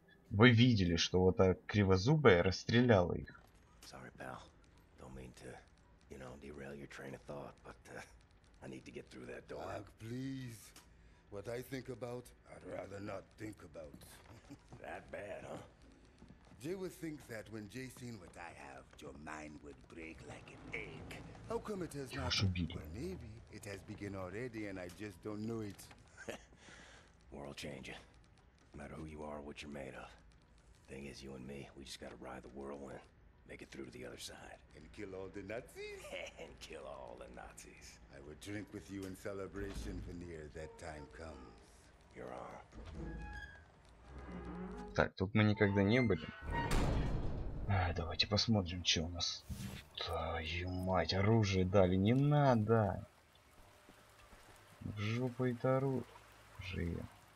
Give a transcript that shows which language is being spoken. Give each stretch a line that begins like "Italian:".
Russian: Вы видели, что вот эта кривозубая расстреляла их.
English: Sorry, pal. Don't mean to, you know, derail your train of thought, but I need to get through that door. Fuck, please. What I think about, I'd rather not think about. That bad, huh? Jay would think that when Jay seen what I have, your mind would break like an egg. How come it has not happened? Well, maybe it has begun already and I just don't know it. World changing. No matter who you are or what you're made of. Thing is, you and me, we just gotta ride the whirlwind. make it through to the other side. And kill all the Nazis? And kill all the Nazis. I will drink with you in celebration, Veneer, that time comes. Your arm.
Russian: Так, тут мы никогда не были. А, давайте посмотрим, что у нас. Твою мать, оружие дали, не надо. В жопу это оружие.